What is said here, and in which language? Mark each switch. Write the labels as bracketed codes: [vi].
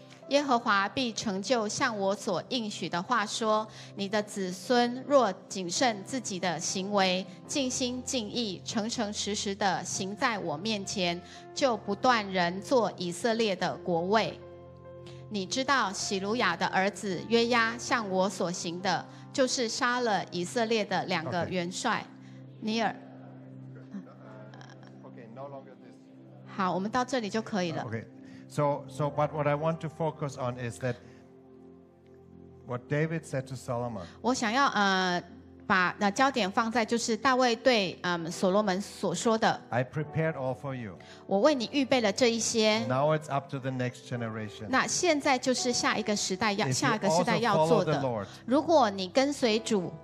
[zh] 耶和华必成就向我所应许的话，说你的子孙若谨慎自己的行为，尽心尽意诚诚实实的行在我面前，就不断人做以色列的国位。你知道洗鲁雅的儿子约押向我所行的，就是杀了以色列的两个元帅、okay. 尼尔。好，我们到这里就可以了。 [en] Okay. So, but what I want to focus on is that what David said to Solomon. [zh] 我想要把那焦点放在就是大卫对所罗门所说的。 [en] I prepared all for you. [zh] 我为你预备了这一些。 [en] Now it's up to the next generation. [zh] 那现在就是下一个时代要下一个时代要做的。如果你跟随主。